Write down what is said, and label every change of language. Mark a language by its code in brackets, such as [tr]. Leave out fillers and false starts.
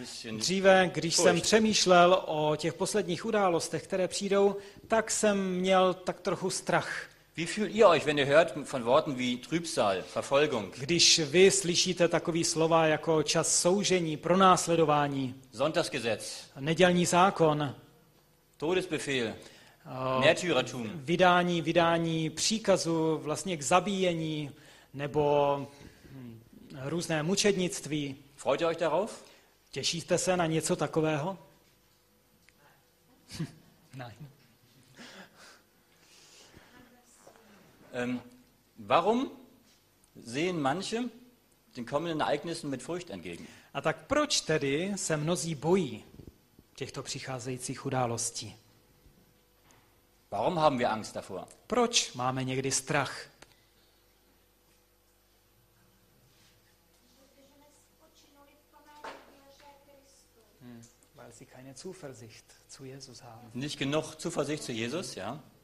[cs] dříve, když jsem přemýšlel o těch posledních událostech, které přijdou, tak jsem měl tak trochu strach. [de] Wie fühlt ihr euch, wenn ihr hört von Worten wie Trübsal, Verfolgung? [cs] Když vy slyšíte takové slova jako čas soužení, pronásledování, [de] Sonntagsgesetz, [cs] nedělní zákon, [de] Todesbefehl, Märtyrertum, [cs] vydání příkazu vlastně k zabíjení nebo různé mučednictví. [de] Freut ihr euch darauf? [cs] Těšíte se na něco takového? [de] Nein. Warum sehen manche den kommenden Ereignissen mit Furcht entgegen? [cs] A tak proč tedy se mnozí bojí těchto přicházejících událostí? [de] Warum haben wir Angst davor? [cs] Proč máme někdy strach? [de] Sie keine Zuversicht zu Jesus haben. Nicht genug Zuversicht zu Jesus, ja?